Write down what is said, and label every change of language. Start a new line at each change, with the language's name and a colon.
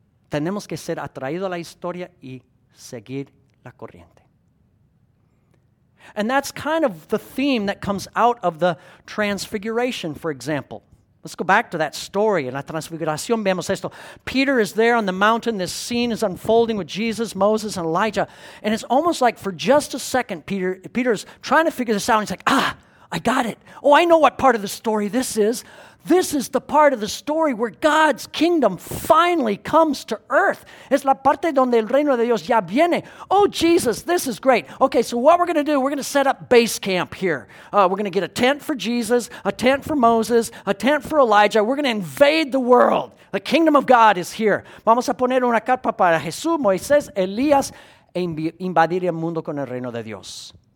Spanish: Tenemos que ser atraído a la historia y seguir la corriente.
English: And that's kind of the theme that comes out of the Transfiguration, for example. Let's go back to that story.
Spanish: En la Transfiguración vemos esto.
English: Peter is there on the mountain. This scene is unfolding with Jesus, Moses, and Elijah. And it's almost like for just a second, Peter is trying to figure this out. And he's like, ah, I got it. Oh, I know what part of the story this is. This is the part of the story where God's kingdom finally comes to earth.
Spanish: Es la parte donde el reino de Dios ya viene.
English: Oh, Jesus, this is great. Okay, so what we're going to do, we're going to set up base camp here. We're going to get a tent for Jesus, a tent for Moses, a tent for Elijah. We're going to invade the world. The kingdom of God is here.
Spanish: Vamos a poner una carpa para Jesús, Moisés, Elías, e invadir el mundo con el reino de Dios.